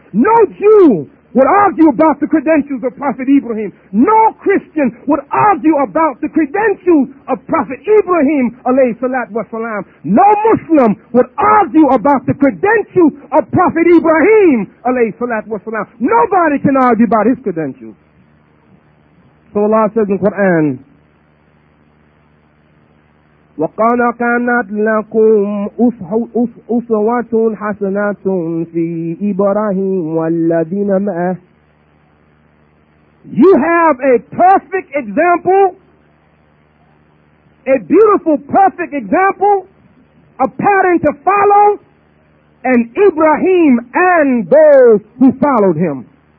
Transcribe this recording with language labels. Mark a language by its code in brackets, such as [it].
[en] No Jew would argue about the credentials of Prophet Ibrahim. No Christian would argue about the credentials of Prophet Ibrahim, alayhi salat wa salam. No Muslim would argue about the credentials of Prophet Ibrahim, alayhi salat wa salam. Nobody can argue about his credentials. So Allah says in the Quran, [ar] وقال كانت لكم أسوة حسنة في إبراهيم والذين معه. [en] You have a perfect example, a beautiful perfect example, a pattern to follow, and Ibrahim and those who followed him.